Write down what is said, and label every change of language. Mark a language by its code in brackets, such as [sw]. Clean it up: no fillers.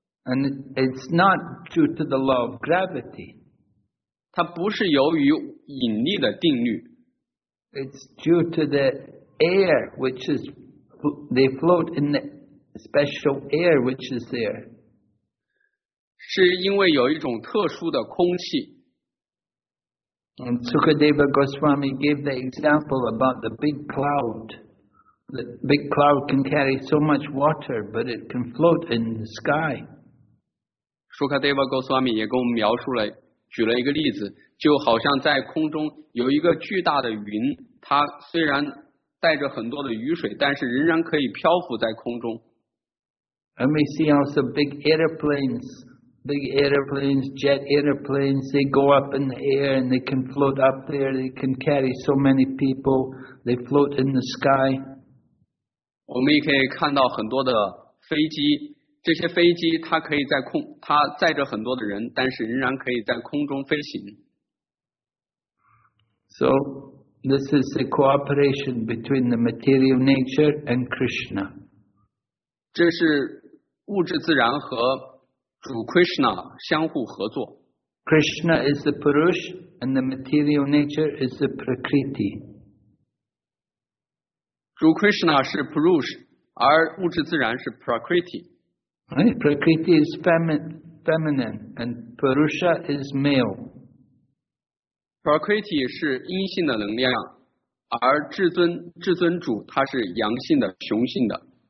[en] And it's not due to the law of gravity. [zh] 它不是由于引力的定律。 [en] It's due to the air which is, they float in the special air which is there. [zh] 是因为有一种特殊的空气。 [en] And Sukadeva Goswami gave the example about the big cloud. The big cloud can carry so much water, but it can float in the sky. [zh] Sukadeva Goswami 也给我们描述了，举了一个例子，就好像在空中有一个巨大的云，它虽然带着很多的雨水，但是仍然可以漂浮在空中。 [en] And we see also big airplanes. Big airplanes, jet airplanes, they go up in the air and they can float up there, they can carry so many people, they float in the sky. [zh] 我们也可以看到很多的飞机，这些飞机它可以在空，它载着很多的人，但是仍然可以在空中飞行。 [en] So, this is the cooperation between the material nature and Krishna. [zh] 这是物质自然和主 Krishna 相互合作。 [en] Krishna is the Purush and the material nature is the Prakriti. [zh] 主 Krishna 是 Purush， 而物质自然是 Prakriti. [en] Right, Prakriti is feminine and Purusha is male. [zh] Prakriti 是阴性的能量，而至尊主它是阳性的，雄性的。